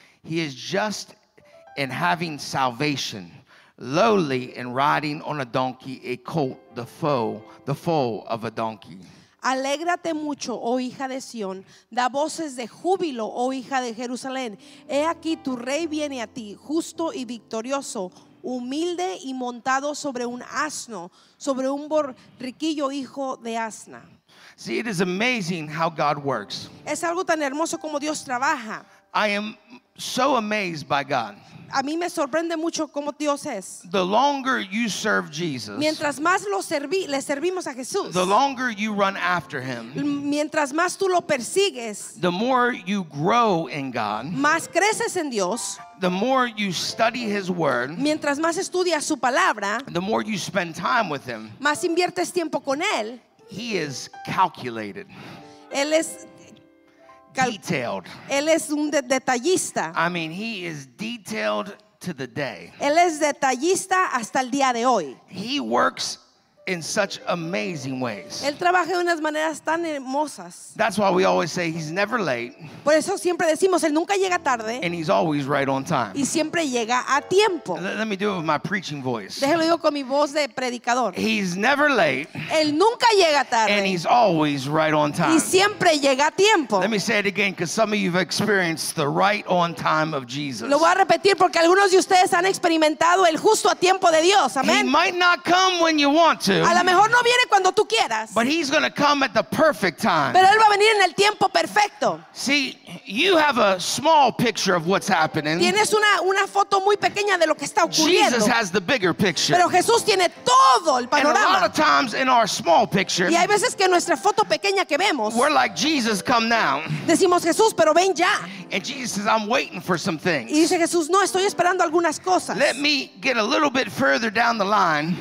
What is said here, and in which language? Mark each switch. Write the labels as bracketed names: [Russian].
[English] He is just and having salvation, lowly and riding on a donkey, a colt, the foal of a donkey. [Spanish] Alégrate mucho, oh hija de Sion. Da voces de júbilo, oh hija de Jerusalén. He aquí tu rey viene a ti, justo y victorioso, humilde y montado sobre un asno, sobre un borriquillo hijo de asna. [English] See, it is amazing how God works. [Spanish] Es algo tan hermoso como Dios trabaja. [English] I am so amazed by God. [Spanish] A mí me sorprende mucho cómo Dios es. [English] The longer you serve Jesus, [Spanish] mientras más le servimos a Jesús, [English] the longer you run after him, [Spanish] mientras más tú lo persigues, [English] the more you grow in God, [Spanish] más creces en Dios, [English] the more you study his word, [Spanish] mientras más estudias su palabra, [English] the more you spend time with him, [Spanish] más inviertes tiempo con él, [English] he is calculated. [Spanish] Él es [English] detailed. [Spanish] Él es un detallista. [English] I mean, he is detailed to the day. [Spanish] Él es detallista hasta el día de hoy. [English] He works in such amazing ways. [Spanish] Él trabaja de unas maneras tan hermosas. [English] That's why we always say he's never late. [Spanish] Por eso siempre decimos él nunca llega tarde. [English] And he's always right on time. [Spanish] Y siempre llega a tiempo. [English] Let me do it with my preaching voice. [Spanish] Déjelo digo con mi voz de predicador. [English] He's never late. [Spanish] Él nunca llega tarde. [English] And he's always right on time. [Spanish] Y siempre llega a tiempo. [English] Let me say it again, because some of you have experienced the right on time of Jesus. [Spanish] Lo voy a repetir porque algunos de ustedes han experimentado el justo a tiempo de Dios. Amén. [English] He might not come when you want to. [Spanish] A lo mejor no viene cuando tú quieras. [English] But he's going to come at the perfect time. [Spanish] Pero él va a venir en el tiempo perfecto. [English] See, you have a small picture of what's happening. [Spanish] Tienes una foto muy pequeña de lo que está ocurriendo. [English] Jesus has the bigger picture. [Spanish] Pero Jesús tiene todo el panorama. [English] And a lot of times in our small picture. [Spanish] Y hay veces que en nuestra foto pequeña que vemos. [English] We're like Jesus, come now. [Spanish] Decimos Jesús, pero ven ya. [English] And Jesus says, I'm waiting for some things. [Spanish] Y dice Jesús, no, estoy esperando algunas cosas. [English] Let me get a little bit further down the line.